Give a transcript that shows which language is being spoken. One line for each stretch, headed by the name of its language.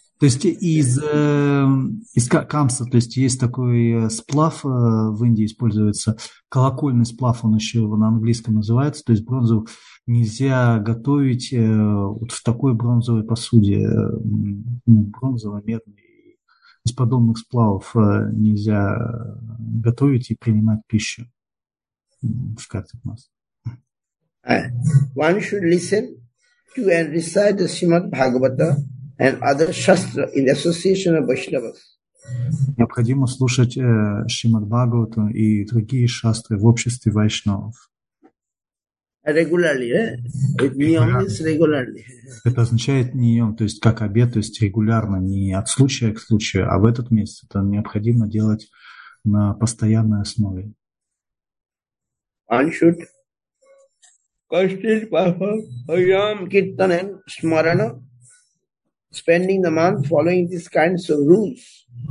Russian: То есть из камса, то есть есть такой сплав, в Индии используется колокольный сплав, он еще на английском называется, то есть бронзу нельзя готовить вот в такой бронзовой посуде, бронзово-медной, из подобных сплавов нельзя готовить и принимать пищу в картах масла.
English: One should listen to and recite the Srimad Bhagavata and other shastra in association of Vaishnavas.
Russian: Необходимо слушать Шримад Бхагавату и другие шастры в обществе вайшнавов.
English: Regularly, right? Niyam is regularly.
Russian: Это означает ниом, то есть как обед, то есть регулярно, не от случая к случаю, а в этот месяц это необходимо делать на постоянной основе.
English: One should constantly perform hayam kirtan and smarana, spending the month following these kinds of rules.